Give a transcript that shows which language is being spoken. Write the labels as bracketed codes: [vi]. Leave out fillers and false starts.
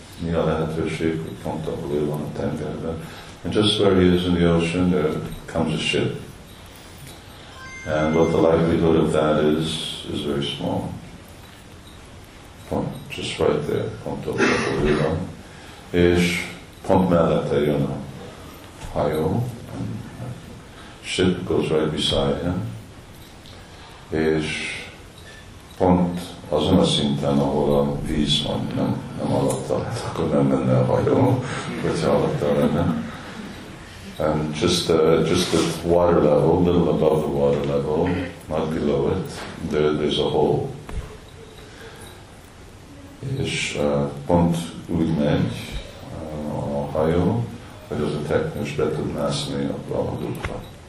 [hu] Mi a lehetőség, hogy pont ahol ő van a tengerben? [en] And just where he is in the ocean, there comes a ship. And what the likelihood of that is very small. [hu] Pont, [en] just right there, [hu] pont ahol ő van. És pont mellette jön a hajó. [en] Ship goes right beside him. [hu] És pont azon a szinten, ahol a víz van, nem alatta, akkor nem menne a hajó, hogyha alatta lenne. [en] And just the water level, a little above the water level, not below it, there's a hole. [hu] És pont úgy megy a hajó, hogy az a teknős be tud mászni a valódukra.